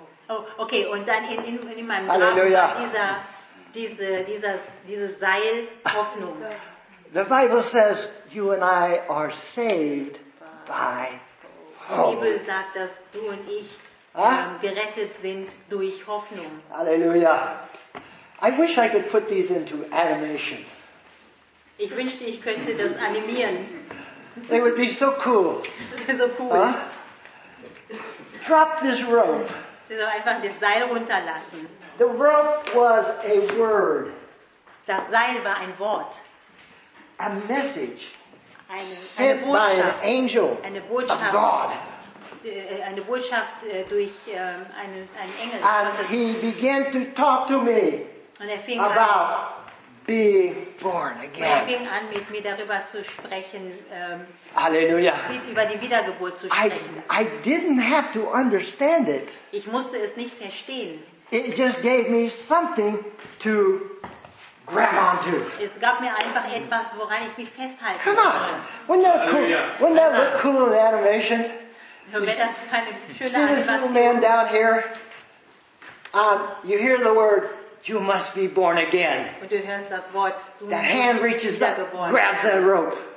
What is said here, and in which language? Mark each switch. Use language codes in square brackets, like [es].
[en] Oh, okay, [de] und dann in meinem Graben Halleluja. dieser Seil Hoffnung. [en] The Bible says you and I are saved by hope. [de] Die Bibel sagt, dass du und ich Huh? Gerettet sind durch Hoffnung. Halleluja. [en] I wish I could put these into animation. [de] Ich wünschte, ich könnte das animieren. [en] They would be so cool. So cool. Huh? Drop this rope. [de] So einfach das Seil runterlassen. [en] The rope was a word. [de] Das Seil war ein Wort. [en] A message. [de] Eine [en] sent by an angel. [de] Eine Botschaft. [en] Of God. [de] Eine Botschaft durch einen Engel. [en] And he began to talk to me about being born again. [de] Er fing an, mit mir darüber zu sprechen, Halleluja. Über die Wiedergeburt zu sprechen. [en] I didn't have to understand it. [de] Ich musste es nicht verstehen. [en] It just gave me something to grab onto. [de] Es gab mir einfach etwas, woran ich mich festhalten konnte. [en] Come on. Wouldn't that, cool? Wouldn't that look cool in animation? You see this little man down here? You hear the word, you must be born again. The hand reaches up, grabs that rope.